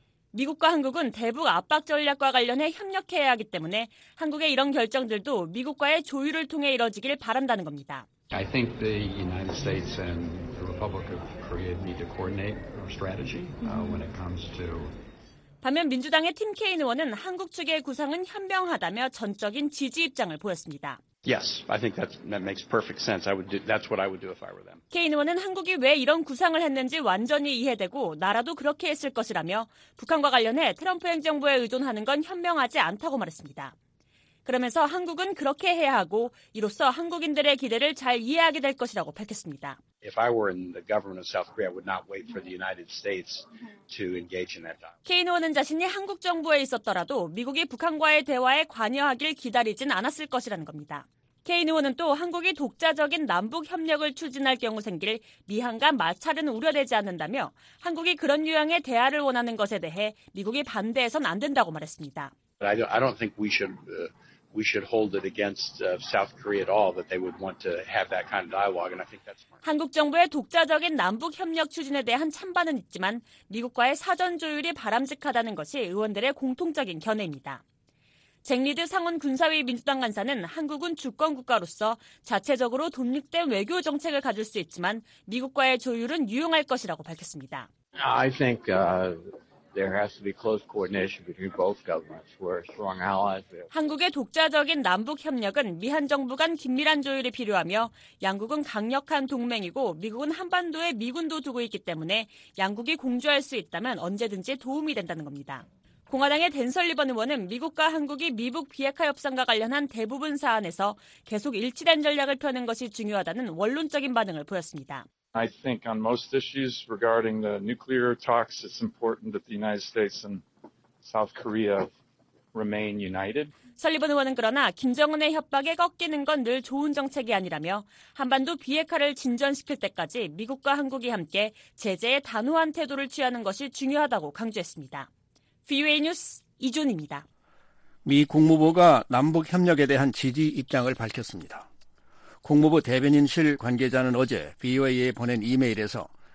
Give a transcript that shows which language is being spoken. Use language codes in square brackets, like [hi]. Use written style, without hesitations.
[ko] 미국과 한국은 대북 압박 전략과 관련해 협력해야 하기 때문에 한국의 이런 결정들도 미국과의 조율을 통해 이뤄지길 바란다는 겁니다. [en] I think the United States and the Republic of Korea need to coordinate our strategy when it comes to [ko] 반면 민주당의 팀 케인 의원은 한국 측의 구상은 현명하다며 전적인 지지 입장을 보였습니다. [en] Yes, I think that makes perfect sense. That's what I would do if I were them. [ko] 케인 의원은 한국이 왜 이런 구상을 했는지 완전히 이해되고 나라도 그렇게 했을 것이라며 북한과 관련해 트럼프 행정부에 의존하는 건 현명하지 않다고 말했습니다. 그러면서 한국은 그렇게 해야 하고 이로써 한국인들의 기대를 잘 이해하게 될 것이라고 밝혔습니다. [en] If I were in the government of South Korea, I would not wait for the United States to engage in that dialogue. [ko] 케인 의원은 자신이 한국 정부에 있었더라도 미국이 북한과의 대화에 관여하길 기다리진 않았을 것이라는 겁니다. 케인 의원은 또 한국이 독자적인 남북 협력을 추진할 경우 생길 미한 간 마찰은 우려되지 않는다며 한국이 그런 유형의 대화를 원하는 것에 대해 미국이 반대해선 안 된다고 말했습니다. [en] But I don't think we should hold it against South Korea at all that they would want to have that kind of dialogue and I think that's smart. [ko] 한국 정부의 독자적인 남북 협력 추진에 대한 찬반은 있지만 미국과의 사전 조율이 바람직하다는 것이 의원들의 공통적인 견해입니다. 잭리드 상원 군사위 민주당 간사는 한국은 주권 국가로서 자체적으로 독립된 외교 정책을 가질 수 있지만 미국과의 조율은 유용할 것이라고 밝혔습니다. [en] I think there has to be close coordination between both governments. We're strong allies. [ko] 한국의 독자적인 남북 협력은 미한 정부 간 긴밀한 조율이 필요하며 양국은 강력한 동맹이고 미국은 한반도에 미군도 두고 있기 때문에 양국이 공조할 수 있다면 언제든지 도움이 된다는 겁니다. 공화당의 댄 설리번 의원은 미국과 한국이 미북 비핵화 협상과 관련한 대부분 사안에서 계속 일치된 전략을 펴는 것이 중요하다는 원론적인 반응을 보였습니다. [en] I think on most issues regarding the nuclear talks, it's important that the United States and South Korea remain united. [ko] 설리번 의원은 그러나 김정은의 협박에 꺾이는 건 늘 좋은 정책이 아니라며 한반도 비핵화를 진전시킬 때까지 미국과 한국이 함께 제재에 단호한 태도를 취하는 것이 중요하다고 강조했습니다. VOA 뉴스 이준입니다. 미 국무부가 남북협력에 대한 지지 입장을 밝혔습니다. 국무부 대변인실 관계자는 어제 VOA에 보낸 이메일에서